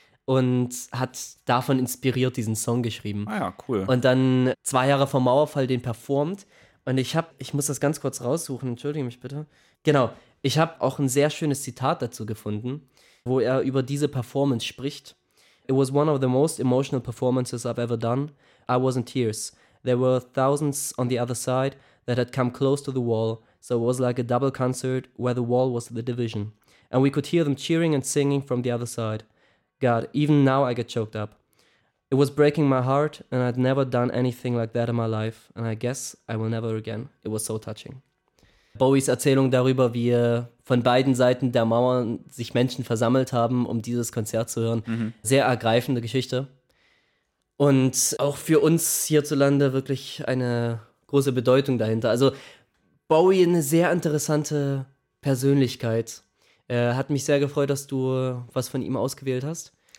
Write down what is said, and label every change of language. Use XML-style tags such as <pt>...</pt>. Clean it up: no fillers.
<de>Und hat davon inspiriert diesen Song geschrieben. Ah ja, cool. Und dann 2 Jahre vor Mauerfall den performt. Und ich muss das ganz kurz raussuchen, entschuldige mich bitte. Genau, ich habe auch ein sehr schönes Zitat dazu gefunden, wo er über diese Performance spricht.</de> <en>It was one of the most emotional performances I've ever done. I was in tears. There were thousands on the other side that had come close to the wall. So it was like a double concert where the wall was the division. And we could hear them cheering and singing from the other side. God, even now I get choked up. It was breaking my heart and I'd never done anything like that in my life. And I guess I will never again. It was so touching.</en> <de>Bowies Erzählung darüber, wie von beiden Seiten der Mauer sich Menschen versammelt haben, um dieses Konzert zu hören. Mhm. Sehr ergreifende Geschichte. Und auch für uns hierzulande wirklich eine große Bedeutung dahinter. Also Bowie, eine sehr interessante Persönlichkeit. Hat mich sehr gefreut, dass du was von ihm ausgewählt hast.</de>